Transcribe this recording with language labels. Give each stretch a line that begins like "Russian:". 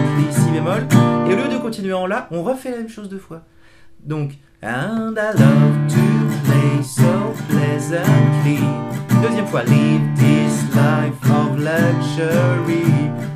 French: Si bémol, et au lieu de continuer en la, on refait la même chose deux fois.
English: Donc, and I love to play so pleasantly.
French: Deuxième fois,
English: live this life of luxury.